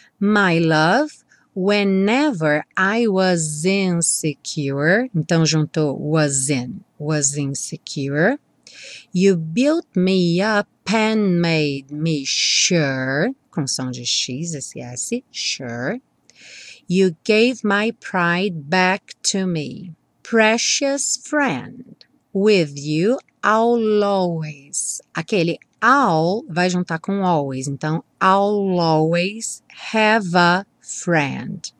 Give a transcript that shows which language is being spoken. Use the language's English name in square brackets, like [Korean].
[English] My love, whenever I was insecure, [Portuguese] então juntou [English] was insecure. You built me up and made me sure. função de X, SS, sure. You gave my pride back to me, precious friend. With you, I'll always. [Portuguese] Aquele I'll vai juntar com always. [English] Então, I'll always have a friend.